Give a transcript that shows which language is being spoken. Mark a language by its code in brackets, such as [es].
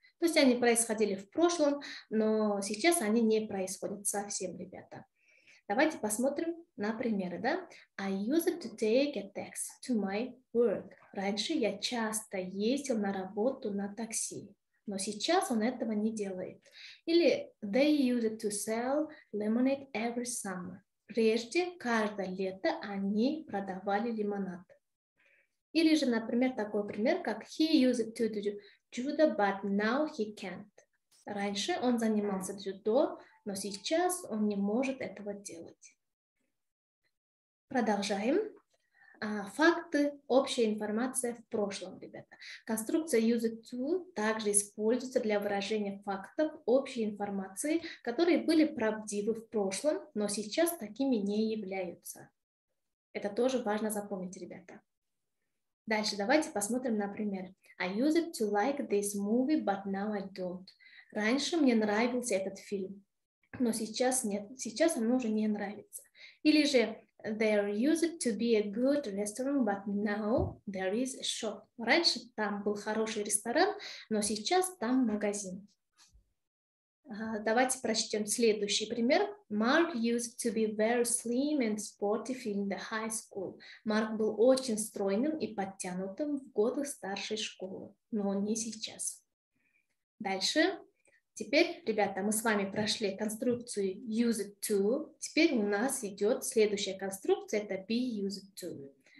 [ru] То есть они происходили в прошлом, но сейчас они не происходят совсем, ребята. Давайте посмотрим на примеры, да? [en] I used to take a taxi to my work. [ru] Раньше я часто ездил на работу на такси, но сейчас он этого не делает. [en] Или they used to sell lemonade every summer. [ru] Прежде, каждое лето они продавали лимонад. Или же, например, такой пример, как [en] he used to do judo, but now he can't. [ru] Раньше он занимался дзюдо, но сейчас он не может этого делать. Продолжаем. Факты, общая информация в прошлом, ребята. Конструкция used to также используется для выражения фактов, общей информации, которые были правдивы в прошлом, но сейчас такими не являются. Это тоже важно запомнить, ребята. Дальше давайте посмотрим на пример. [en] I used to like this movie, but now I don't. [ru] Раньше мне нравился этот фильм, но сейчас нет. Сейчас он уже не нравится. Или же [en] there used to be a good restaurant, but now there is a shop. [ru] Раньше там был хороший ресторан, но сейчас там магазин. Давайте прочтем следующий пример. [en] Mark used to be very slim and sporty in the high school. [ru] Mark был очень стройным и подтянутым в годы старшей школы, но не сейчас. Дальше. Теперь, ребята, мы с вами прошли конструкцию used to. Теперь у нас идет следующая конструкция, это be used to.